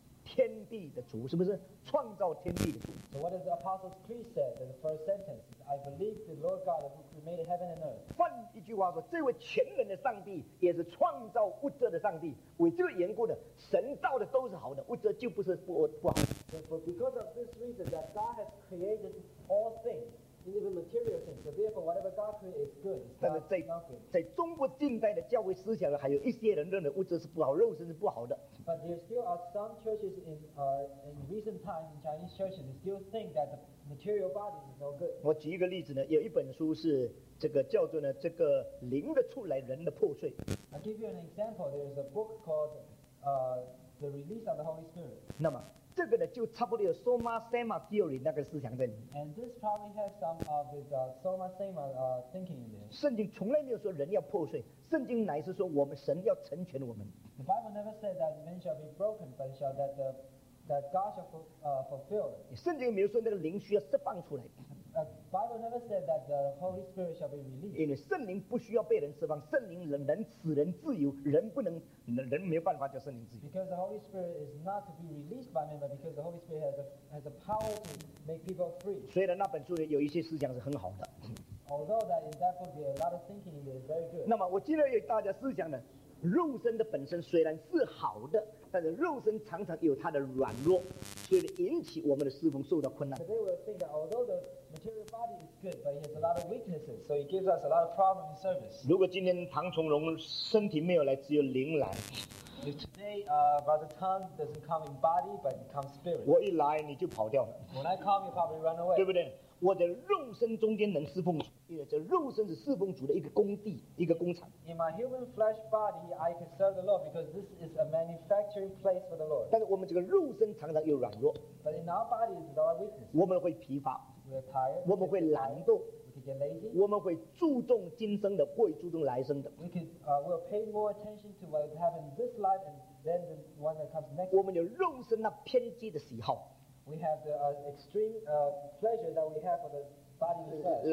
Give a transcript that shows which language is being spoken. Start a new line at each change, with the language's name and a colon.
Chinese: 天地的主是不是创造天地的主
English: ？So what does the Apostles' Creed say? The first sentence: I believe the Lord God who made heaven and earth.
Chinese: 换一句话说，这位全能的上帝也是创造物质的上帝。为这个缘故呢，神造的都是好的，物质就不是不好。
English: So because of this reason that God has created all things, even material things, so therefore whatever God created is good.
Chinese: 但是在中国近代的教会思想呢，还有一些人认为物质是不好，肉身是不好的。
English: But there still are some churches in recent times in Chinese churches that still think that the material body is no good.
Chinese: 我举一个例子呢，有一本书是这个叫做呢这个灵的出来，人的破碎。
English: I give you an example. There is a book called The Release of the Holy Spirit.
Chinese: 那么这个呢就差不多有 Soma Sema theory 那个思想在里面。
English: And this probably has some of its Soma Sema thinking in there.
Chinese: 圣经从来没有说人要破碎，圣经乃是说我们神要成全我们。
English: The Bible never said that man shall be broken, but it shall that God shall fulfill it.
Chinese: 圣经没有说那个灵需要释放出来。
English: The Bible never said that the Holy Spirit shall be released.
Chinese: 因为圣灵不需要被人释放，圣灵能使人自由，人不能，人没有办法叫圣灵自由。
English: Because the Holy Spirit is not to be released by man, but because the Holy Spirit has a power to make people free.
Chinese: 虽然那本书有一些思想是很好的。
English: Although that in that book there are a lot of thinking that is very good.
Chinese: 那么我今天有大家思想呢。肉身的本身虽然是好的，但是肉身常常有它的软弱，所以引起我们的侍奉受到困难。
English: Today we think that although the material body is good, but it has a lot of weaknesses, so it gives us a lot of problems in service.
Chinese: 如果今天唐崇荣身体没有来，只有灵来。
English: If today Brother Tang doesn't come in body, but comes spirit.
Chinese: 我一来你就跑掉了。
English: When I come, you probably run away.
Chinese: 对不对？我的肉身中间能侍奉主，因为这肉身是侍奉主的一个工地，一个工厂。
English: In my human flesh body, I can serve the Lord because this is a manufacturing place for the Lord.
Chinese: 但是我们这个肉身常常有软弱。
English: But in our body is our weakness.
Chinese: 我们会疲乏。
English: We're tired.
Chinese: 我们会懒惰。
English: We can get lazy.
Chinese: 我们会注重今生的，过于注重来生的。
English: We'll pay more attention to what happens this life and then the one that comes next.
Chinese: 我们有肉身那偏激的喜好。
English: We have the extreme pleasure that we have for the body itself.